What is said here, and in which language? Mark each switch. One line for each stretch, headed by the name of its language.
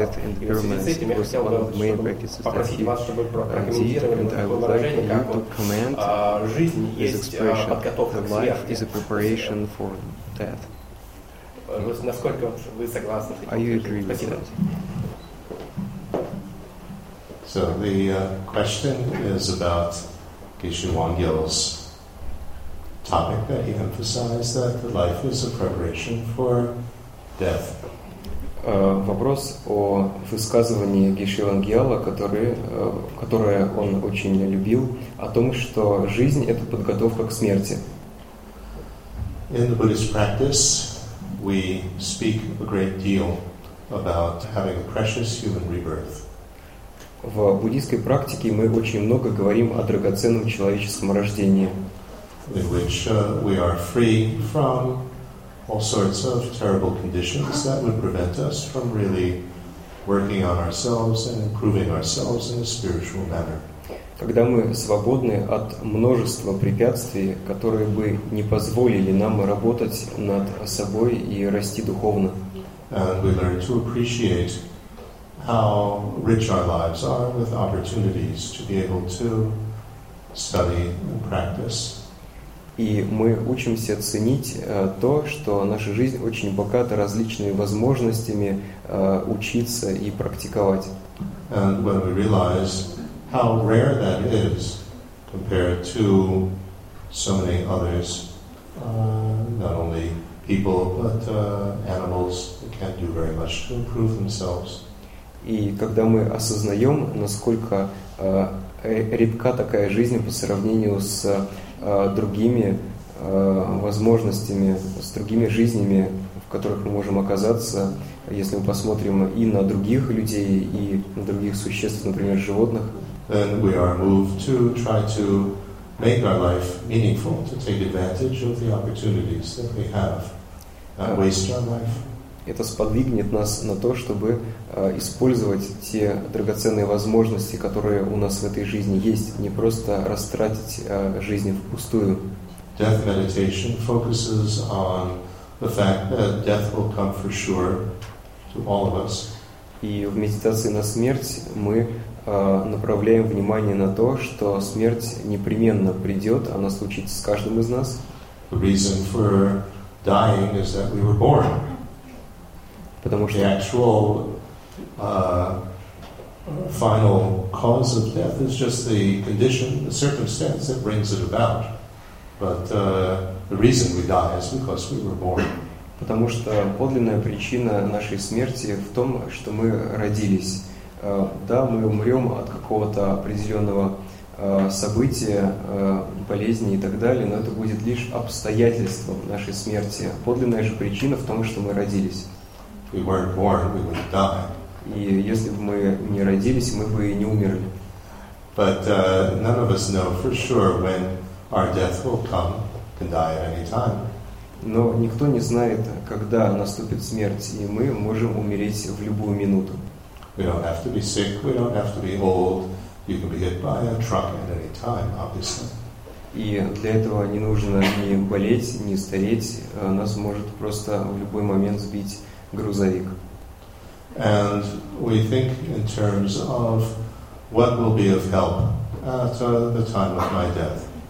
Russian: И в связи с этим я хотел бы попросить вас, чтобы вы прокомментировали такое выражение, как вот жизнь есть подготовка к смерти. Насколько вы согласны с этим? Спасибо.
English: So the question is about Geshe Wangyal's topic that he emphasized, that the life is a preparation for death.
Russian: Вопрос о высказывании Геши Вангьяла, которое он очень любил, о том, что жизнь — это подготовка к смерти.
English: In the Buddhist practice, we speak a great deal about having a precious human rebirth.
Russian: В буддийской практике мы очень много говорим о драгоценном человеческом рождении.
English: In which we are free from all sorts of terrible conditions that would prevent us from really working on ourselves and improving ourselves in a spiritual manner.
Russian: Когда мы свободны от множества препятствий, которые бы не позволили нам работать над собой и расти духовно.
English: And we learn to appreciate how rich our lives are with opportunities to be able to study and practice.
Russian: И мы учимся ценить то, что наша жизнь очень богата различными возможностями учиться и практиковать.
English: And when we realize how rare that is compared to so many others, not only people, but animals can't do very much to improve themselves.
Russian: И когда мы осознаем, насколько редка такая жизнь по сравнению с другими возможностями, с другими жизнями, в которых мы можем оказаться, если мы посмотрим и на других людей, и на других существ, например, животных,
English: then we are moved to try to make our life meaningful, to take advantage of the opportunities that we have, not waste our life.
Russian: Это сподвигнет нас на то, чтобы использовать те драгоценные возможности, которые у нас в этой жизни есть, не просто растратить жизнь впустую.
English: Death meditation focuses on the fact that death will come for sure to all of us.
Russian: И в медитации на смерть мы направляем внимание на то, что смерть непременно придет, она случится с каждым из нас.
English: The reason for dying is that we were born.
Russian: Потому что
English: the actual final cause of death is just the condition, the circumstance that brings it about. But the reason we die is because we were born.
Russian: Потому что подлинная причина нашей смерти в том, что мы родились. Да, мы умрем от какого-то определенного события, болезни и так далее, но это будет лишь обстоятельством нашей смерти. Подлинная же причина в том, что мы родились.
English: We weren't born, we wouldn't die.
Russian: И если бы мы не родились, мы бы и не умерли.
English: But none of us know for sure when our death will come, can die at any time.
Russian: Но никто не знает, когда наступит смерть, и мы можем умереть в любую минуту.
English: We don't have to be sick, we don't have to be old. You can be hit by a truck at any time, obviously.
Russian: И для этого не нужно ни болеть, ни стареть. Нас может просто в любой момент сбить грузовик.
English: And we think in terms of what will be of help at the time of my death.